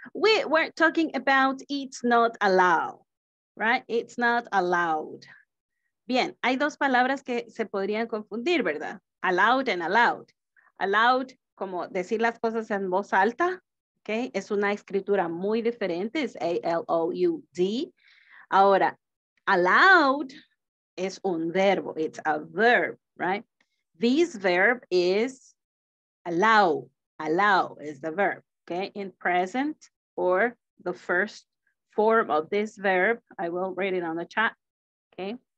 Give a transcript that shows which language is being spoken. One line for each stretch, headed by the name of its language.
English: We were talking about it's not allowed, right? It's not allowed.
Spanish: Bien, hay dos palabras que se podrían confundir, ¿verdad?
English: Allowed and allowed.
Spanish: Allowed, como decir las cosas en voz alta, okay? Es una escritura muy diferente, es A-L-O-U-D. Ahora,
English: allowed is
Spanish: un verbo,
English: it's a verb, right? This verb is allow is the verb, okay? In present or the first form of this verb, I will write it on the chat, okay?